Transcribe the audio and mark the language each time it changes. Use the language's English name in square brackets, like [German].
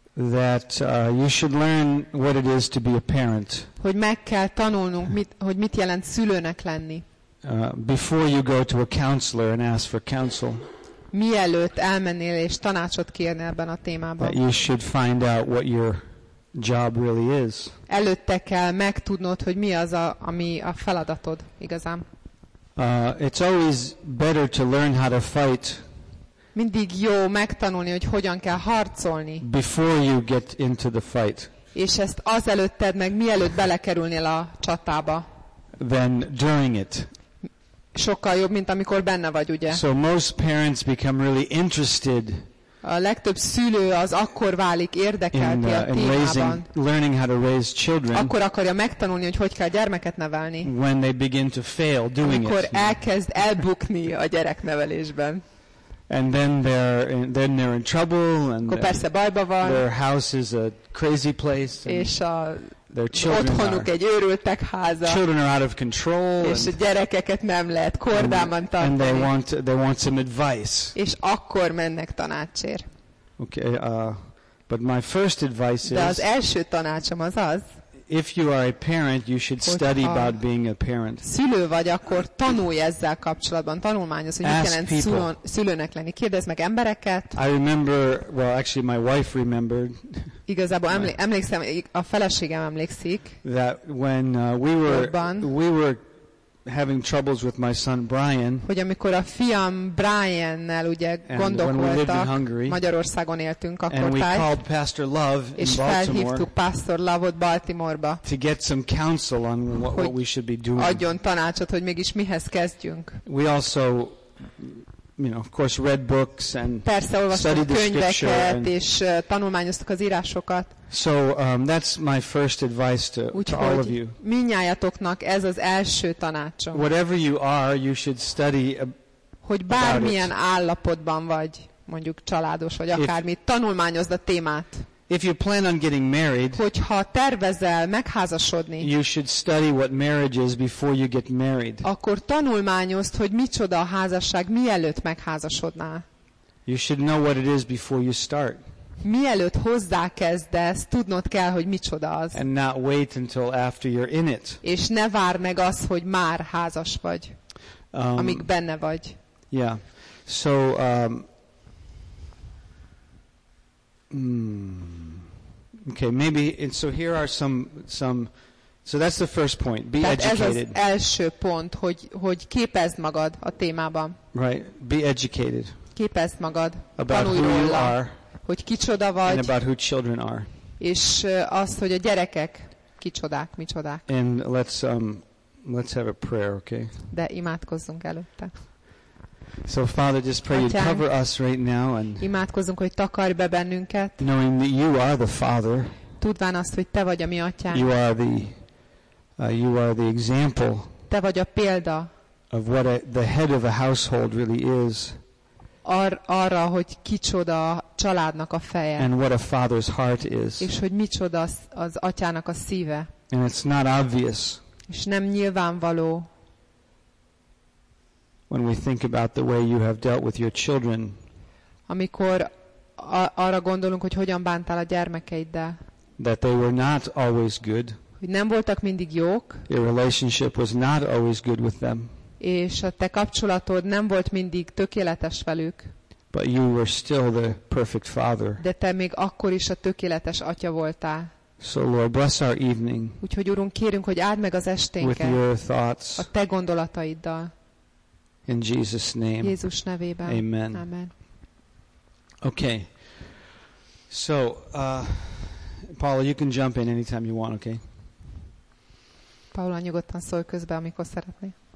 [English] That you should learn what it is to be a parent. [Hungarian] Hogy meg kell tanulnunk, hogy mit jelent szülőnek lenni. [English] Before you go to a counselor and ask for counsel. [Hungarian] Mielőtt elmennél és tanácsot kérni ebben a témában. [English] You should find out what your job really is. [Hungarian] Előtte kell megtudnod, hogy mi az, ami a feladatod igazán. [English] It's always better to learn how to fight. [Hungarian] Mindig jó megtanulni, hogy hogyan kell harcolni. [English] Before you get into the fight. [Hungarian] És ezt azelőtt tedd meg, mielőtt belekerülnél a csatába. [English] Then during it. [Hungarian] Sokkal jobb, mint amikor benne vagy, ugye? [English] So most parents become really interested. [Hungarian] A legtöbb szülő az akkor válik érdekelti a témában. Akkor akarja megtanulni, hogy kell gyermeket nevelni. [English] When they begin to fail doing [Hungarian] amikor [English] it. [Hungarian] Elkezd elbukni a gyereknevelésben. [English] And then they're in trouble. [Hungarian] Akkor persze bajba van. [English] Their house is a crazy place. [Hungarian] És a otthonuk egy őrültek háza. [English] Children are out of control. [Hungarian] És a gyerekeket nem lehet kordában tartani. [English] And they want some advice. [Hungarian] És akkor mennek tanácsért. [English] Okay, but my first advice is. [Hungarian] De az első tanácsom az az. [English] If you are a parent, you should study about being a parent. [Hungarian] Szülő vagy, akkor tanulj ezzel kapcsolatban, tanulmányoz, hogy mit jelent szülőnek lenni. Kérdezd meg embereket. [English] I remember, well, actually my wife remembered. [Hungarian] Igazából emlékszem, a feleségem emlékszik. [English] That when we were having troubles with my son Brian. [Hungarian] Hogy amikor a fiam Brian-nel ugye gondok voltak, Magyarországon éltünk akkor. [English] And we called Pastor Love in Baltimore. [Hungarian] És felhívtuk Pastor Love-ot Baltimore-ba. [English] To get some counsel on what we should be doing. [Hungarian] Adjon tanácsot, hogy mégis mihez kezdjünk. [English] We also, you know, of course read books and [Hungarian] persze, [English] studied the scripture. [Hungarian] Persze olvastunk könyveket és tanulmányoztuk az írásokat. [English] So that's my first advice to all of you. [Hungarian] Mindnyájatoknak ez az első tanácsom. [English] Whatever you are, you should study [Hungarian] hogy bármilyen állapotban vagy, mondjuk családos vagy akármi, tanulmányozd a témát. [English] If you plan on getting married, [Hungarian] hogyha tervezel megházasodni, [English] you should study what marriage is before you get married. [Hungarian] Akkor tanulmányozd, hogy micsoda a házasság, mielőtt megházasodnál. [English] You should know what it is before you start. [Hungarian] Mielőtt hozzákezdesz, tudnod kell, hogy micsoda az. [English] And not wait until after you're in it. [Hungarian] És ne várd meg azt, hogy már házas vagy, amíg benne vagy. [English] Yeah. So, okay, maybe, and so here are some, so that's the first point, be [Hungarian] tehát [English] educated. [Hungarian] Ez az első pont, hogy képezd magad a témában. [English] Right, be educated. [Hungarian] Képezd magad. [English] About who you are. [Hungarian] Hogy kicsoda vagy. [English] And about who children are. [Hungarian] És az, hogy a gyerekek kicsodák, micsodák. [English] And let's have a prayer, okay? [Hungarian] De imádkozzunk előtte. [English] So Father, just pray you cover us right now and [Hungarian] imádkozunk, hogy takarj be bennünket. [English] Knowing that you are the Father. [Hungarian] Tudván azt, hogy te vagy a mi atyán. [English] You are the example. [Hungarian] Te vagy a példa. [English] Of what the head of a household really is. [Hungarian] arra, hogy kicsoda a családnak a feje. [English] And what a father's heart is. [Hungarian] És hogy micsoda az atyának a szíve. [English] And it's not obvious. [Hungarian] És nem nyilvánvaló. [English] When we think about the way you have dealt with your children. [Hungarian] Amikor arra gondolunk, hogy hogyan bántál a gyermekeiddel. [English] That they were not always good. [Hungarian] Hogy nem voltak mindig jók. [English] Your relationship was not always good with them. [Hungarian] És a te kapcsolatod nem volt mindig tökéletes velük. [English] But you were still the perfect father. [Hungarian] De te még akkor is a tökéletes atya voltál. [English] So Lord, bless our evening. [Hungarian] Úgyhogy Urunk, kérünk, hogy áld meg az esténket. [English] With your thoughts. [Hungarian] A te gondolataiddal. [English] In Jesus' name. [Hungarian] Jézus nevében. [English] Amen. [Hungarian] Amen. [English] Okay. So, Paula, you can jump in anytime you want, okay? [Hungarian] Paula, nyugodtan szólj közben, amikor szeretnél.